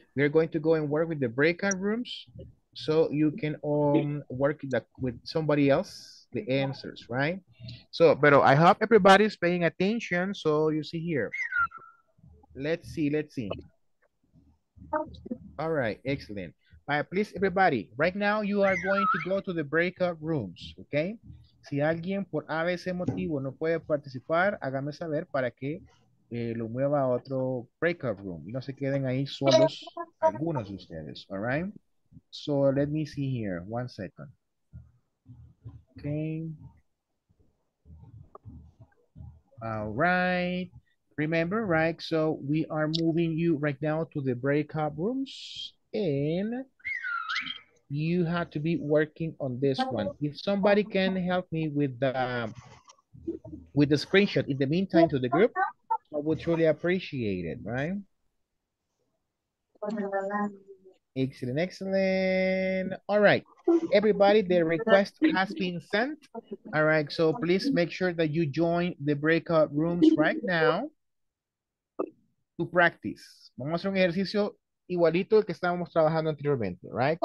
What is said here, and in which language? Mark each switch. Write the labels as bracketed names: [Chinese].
[English] We are going to go and work with the breakout rooms so you can work with somebody else, the answers, right? So, pero I hope everybody is paying attention, so you see here. Let's see. All right, excellent. All right, please, everybody, right now you are going to go to the breakout rooms, okay? [Spanish] Si alguien por ABC motivo no puede participar, hágame saber para que lo mueva a otro breakout room. Y no se queden ahí solos algunos de ustedes. [English] All right? So let me see here. One second. Okay. All right. Remember, right? So we are moving you right now to the breakout rooms. And you have to be working on this one. If somebody can help me with the screenshot in the meantime to the group, I would truly appreciate it, right? Excellent, excellent. All right, everybody, the request has been sent. All right, so please make sure that you join the breakout rooms right now to practice. [Spanish] Vamos a hacer un ejercicio igualito que estábamos trabajando anteriormente, right?